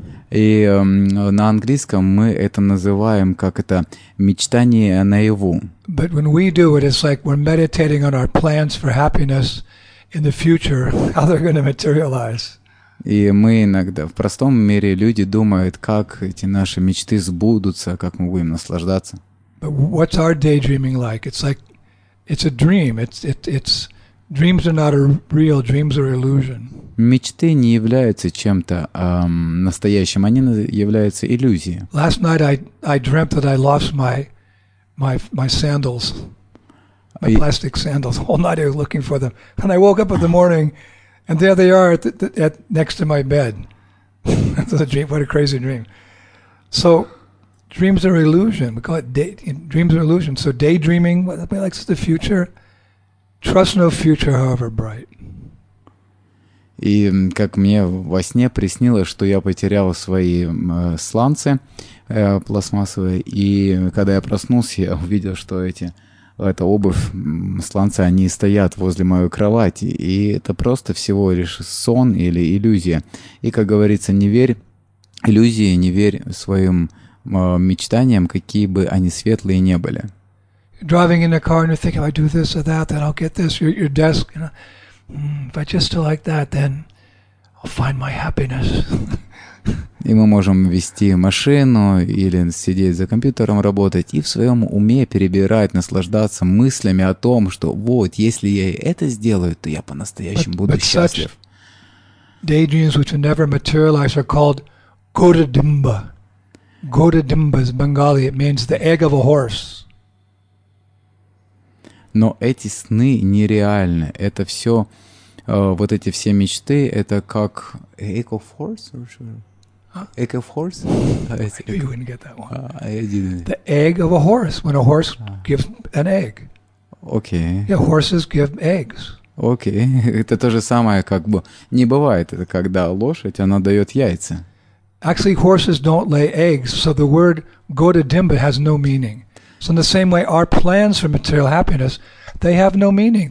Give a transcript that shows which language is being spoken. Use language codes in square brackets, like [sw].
[ru] И на английском мы это называем как это мечтание наяву. [en] But when we do it, it's like we're meditating on our plans for happiness in the future, how they're going to materialize. [ru] И мы иногда, в простом мире, люди думают, как эти наши мечты сбудутся, как мы будем наслаждаться. [en] But what's our daydreaming like? It's like, it's a dream. It's dreams are not real, dreams are illusion. [ru] Мечты не являются чем-то настоящим, они являются иллюзией. [en] Last night I dreamt that I lost my sandals, my plastic sandals. All night I was looking for them. And I woke up in the morning, and there they are at next to my bed. That's a dream. What a crazy dream. So dreams are illusion. We call it dreams are illusion. So daydreaming, what that means is the future. Trust no future, however bright. [ru] И как мне во сне приснилось, что я потерял свои сланцы пластмассовые, и когда я проснулся, я увидел, что эта обувь, сланцы, они стоят возле моей кровати, и это просто всего лишь сон или иллюзия. И, как говорится, не верь иллюзии, не верь своим мечтаниям, какие бы они светлые не были. [en] Driving in a car, and you're thinking, if I do this or that, then I'll get this. Your desk, you know. If I just do like that, then I'll find my happiness. [ru] И мы можем вести машину или сидеть за компьютером работать и в своем уме перебирать, наслаждаться мыслями о том, что вот, если я это сделаю, то я по-настоящему буду счастлив. [en] Daydreams, which never materialize, are called Gotadimba. Gotadimba is Bengali. It means the egg of a horse. [ru] Но эти сны нереальны. Это все, вот эти все мечты, это как [en] egg of horse? Huh? Egg of horse? I knew you wouldn't get that one. I didn't. The egg of a horse, when a horse gives an egg. Okay. Yeah, horses give eggs. Okay. [ru] Это то же самое, как бы, не бывает, когда лошадь, она дает яйца. [en] Actually, horses don't lay eggs, so the word Gotadimba has no meaning. So in the same way, our plans for material happiness, they have no meaning.